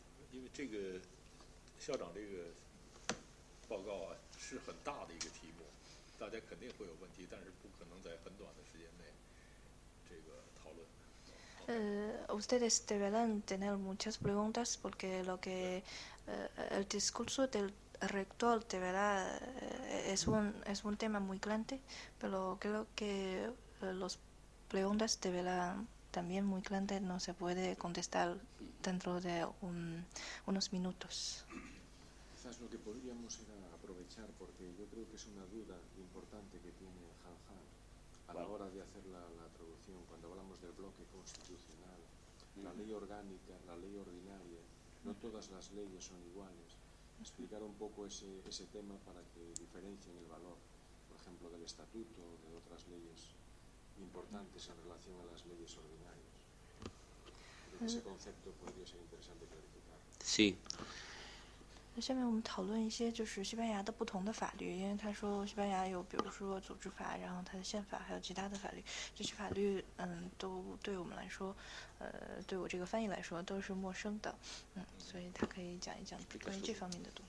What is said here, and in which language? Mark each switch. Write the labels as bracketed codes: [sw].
[zh] 因为这个校长这个报告啊，是很大的一个题目，大家肯定会有问题，但是不可能在很短的时间内这个讨论。 [es] Ustedes deberán tener muchas preguntas porque lo que el discurso del rector de verdad es un tema muy grande, pero creo que lospreguntas de verdad también muy grande no se puede contestar dentro de unos minutos. Quizás lo que podríamos era aprovechar, porque yo creo que es una duda importante que tiene Han a la hora de hacer la traducción, cuando hablamos del bloque constitucional, la ley orgánica, la ley ordinaria, no todas las leyes son iguales. Explicar un poco ese tema para que diferencien el valor, por ejemplo, del estatuto, de otras leyesimportantes en relación a las leyes ordinarias. Ese concepto podría ser interesante clarificar. Sí. [zh] 下面我们讨论一些就是西班牙的不同的法律，因为他说西班牙有比如说组织法，然后他的宪法，还有其他的法律，这些法律都对我们来说对我这个翻译来说都是陌生的，所以他可以讲一讲关于这方面的东